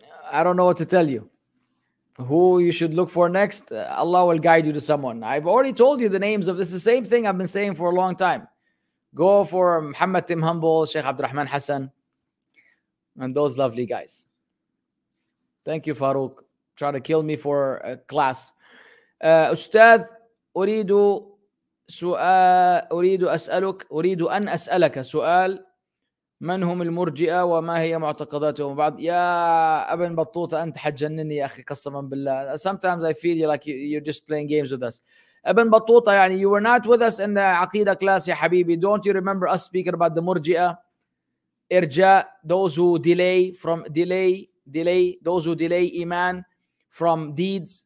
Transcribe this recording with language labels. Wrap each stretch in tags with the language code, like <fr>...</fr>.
<en>I don't know what to tell you. Who you should look for next, Allah will guide you to someone. I've already told you the names of this. The same thing I've been saying for a long time. Go for Muhammad Tim Humble, Sheikh Abdurrahman Hassan, and those lovely guys. Thank you, Farooq. Trying to kill me for a class.</en> <ar>Ustad, أريد سؤال أريد أسألك أريد أن أسألك سؤال من هم المرجئة وما هي معتقداتهم؟ بعد يا ابن بطوطة انت حتجنني يا اخي قسما بالله.</ar> <en>Sometimes I feel like you're just playing games with us. ابن بطوطة</en> <ar>يعني</ar> <en>you were not with us in the عقيدة class</en> <ar>يا حبيبي.</ar> <en>Don't you remember us speaking about the مرجئة؟ ارجاء, those who delay from delay, those who delay iman from deeds.</en>